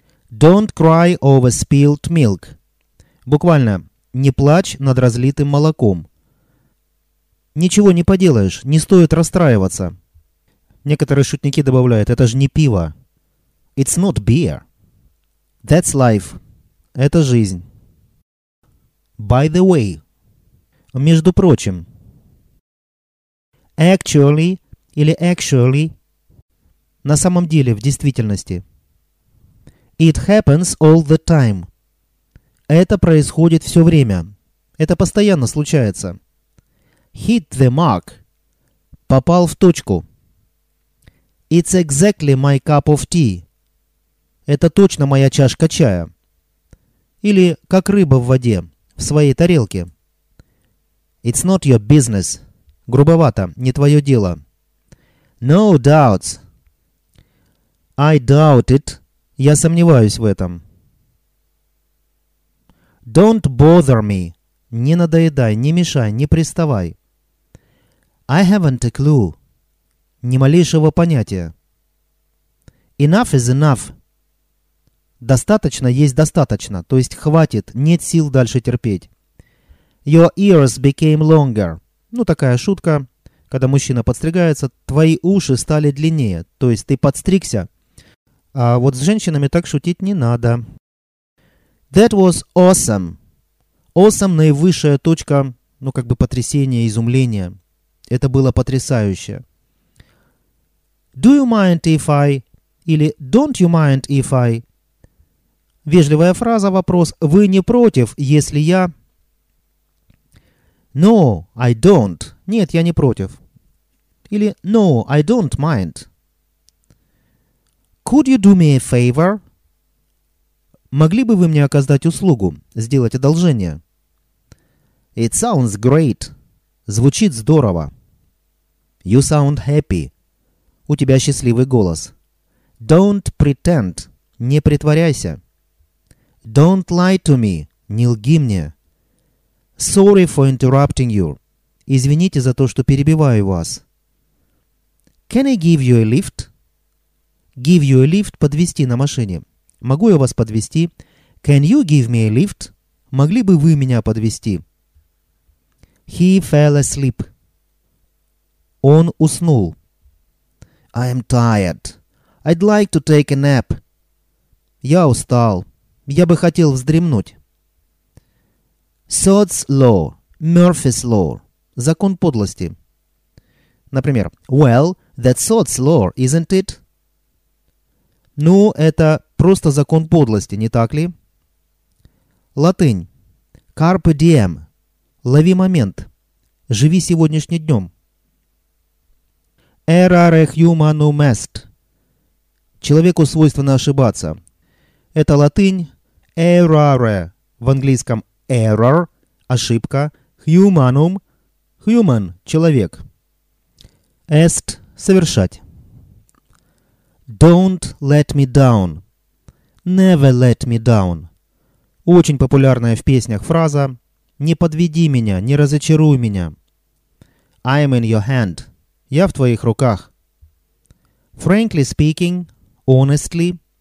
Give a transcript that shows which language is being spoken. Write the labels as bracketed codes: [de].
[en] Don't cry over spilled milk. [ru] Буквально. Не плачь над разлитым молоком. Ничего не поделаешь, не стоит расстраиваться. Некоторые шутники добавляют, [en] это же не пиво. It's not beer. That's life. [ru] Это жизнь. [en] By the way. [ru] Между прочим. [en] Actually или actually. [ru] На самом деле, в действительности. [en] It happens all the time. [ru] Это происходит все время. Это постоянно случается. [en] Hit the mark. [ru] Попал в точку. [en] It's exactly my cup of tea. [ru] Это точно моя чашка чая. Или как рыба в воде, в своей тарелке. [en] It's not your business. [ru] Грубовато, не твое дело. [en] No doubts. I doubt it. [ru] Я сомневаюсь в этом. [en] Don't bother me. [ru] Не надоедай, не мешай, не приставай. [en] I haven't a clue. [ru] Ни малейшего понятия. [en] Enough is enough. [ru] Достаточно есть достаточно, то есть хватит, нет сил дальше терпеть. [en] Your ears became longer. [ru] Ну, такая шутка, когда мужчина подстригается, твои уши стали длиннее, то есть ты подстригся. А вот с женщинами так шутить не надо. [en] That was awesome. [ru] Awesome – наивысшая точка, ну, как бы потрясения, изумления. Это было потрясающе. [en] Do you mind if I... или «Don't you mind if I?» [ru] Вежливая фраза, вопрос «Вы не против, если я?» [en] «No, I don't». [ru] «Нет, я не против». [en] Или «No, I don't mind». «Could you do me a favor?» [ru] «Могли бы вы мне оказать услугу, сделать одолжение?» [en] «It sounds great». [ru] «Звучит здорово». [en] «You sound happy». [ru] «У тебя счастливый голос». [en] «Don't pretend». [ru] «Не притворяйся». [en] «Don't lie to me». [ru] «Не лги мне». [en] «Sorry for interrupting you». [ru] «Извините за то, что перебиваю вас». [en] «Can I give you a lift?» «Give you a lift» — [ru] подвезти на машине. «Могу я вас подвезти?» [en] «Can you give me a lift?» [ru] «Могли бы вы меня подвезти?» [en] «He fell asleep». [ru] «Он уснул». [en] «I'm tired. I'd like to take a nap». [ru] «Я устал. Я бы хотел вздремнуть». [en] «Sod's law. Murphy's law». [ru] «Закон подлости». Например, [en] «Well, that's Sod's law, isn't it?» [ru] «Ну, это просто закон подлости, не так ли?» Латынь. [la] «Carpe diem». [ru] «Лови момент». «Живи сегодняшним днем». [la] «Errare humanum est». [ru] «Человеку свойственно ошибаться». Это латынь «errare». В английском «error» – ошибка. «Humanum» – «human» – человек. «Est» – совершать. [en] «Don't let me down». «Never let me down». [ru] Очень популярная в песнях фраза «Не подведи меня, не разочаруй меня». [en] «I'm in your hand». [ru] «Я в твоих руках». [en] «Frankly speaking», «honestly».